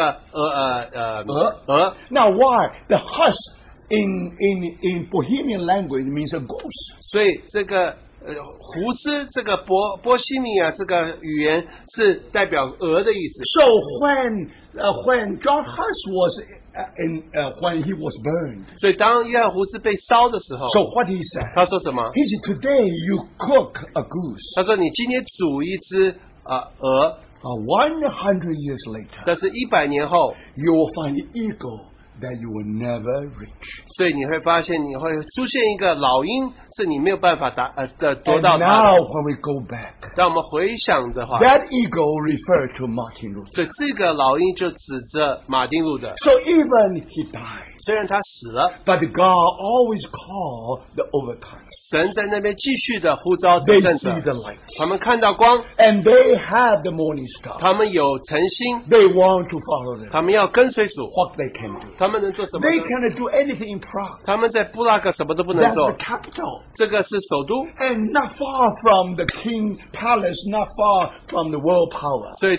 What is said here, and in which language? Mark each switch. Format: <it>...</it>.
<zh>他说你今天在煮一只这个鹅。</zh> <en>Now why? The husk in Bohemian language means a goose.</en> <zh>所以这个, 胡斯这个波西米亚这个语言是代表鹅的意思。</zh> <en>So when John Huss was when he was burned.</en> <zh>所以当约翰胡斯被烧的时候,</zh> <en>so what he said?</en> <zh>他说什么?</zh> <en>He said, today you cook a goose.</en> <zh>他说你今天煮一只, 鹅,</zh> <en>100 years later,</en> <zh>但是100年后,</zh> <en>you will find an eagle that you will never reach.</en> <zh>所以你会发现你会出现一个老鹰是你没有办法达,</zh> <en>and now when we go back,</en> <zh>当我们回想的话,</zh> <en>that eagle referred to Martin Luther.</en> <zh>所以这个老鹰就指着马丁路德,</zh> <en>so even he died,</en> <zh>虽然他死了,</zh> <en>but God always called the overcomers.</en> <zh>神在那边继续地呼召得胜者,</zh> <en>they see the light,</en> <zh>他们看到光,</zh> <en>and they have the morning star,</en> <zh>他们有晨星,</zh> <en>they want to follow them,</en> <zh>他们要跟随主,</zh> <en>what they can do,</en> <zh>他们能做什么呢?</zh> <en>They cannot do anything in Prague,</en> <zh>他们在布拉格什么都不能做,</zh> <en>that's the capital,</en> <zh>这个是首都,</zh> <en>and not far from the king palace, not far from the world power.</en>